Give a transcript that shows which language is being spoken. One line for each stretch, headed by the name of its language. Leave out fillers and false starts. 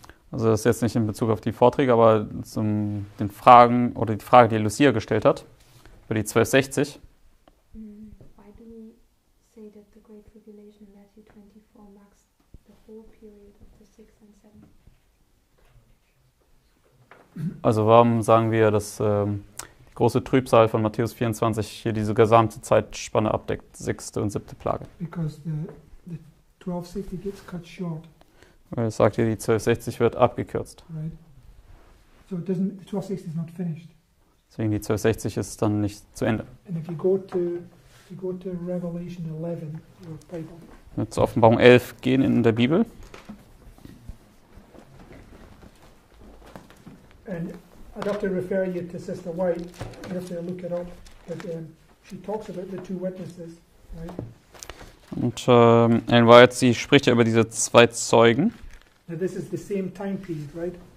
German: Also das ist jetzt nicht in Bezug auf die Vorträge, aber zum den Fragen oder die Frage, die Lucia gestellt hat, über die 1260.
English: Why do we say that the Great Tribulation in Matthew 24 marks the whole period of the 6 and 7?
German: Also warum sagen wir, dass die große Trübsal von Matthäus 24 hier diese gesamte Zeitspanne abdeckt, 6. und 7. Plage?
English: Because the 1260 gets cut short.
German: Weil es sagt hier, die 1260 wird abgekürzt.
English: Right. So it doesn't, the 1260 is not finished.
German: Deswegen die 1260 ist dann nicht zu Ende.
English: And if you go to Revelation 11, your Bible.
German: Wenn wir zu Offenbarung 11 gehen in der Bibel.
English: And I'd have to refer you to Sister White, you have to look it up, but she talks about the two witnesses, right?
German: Und Ellen White, sie spricht ja über diese zwei Zeugen.
English: Now this is the same time period, right?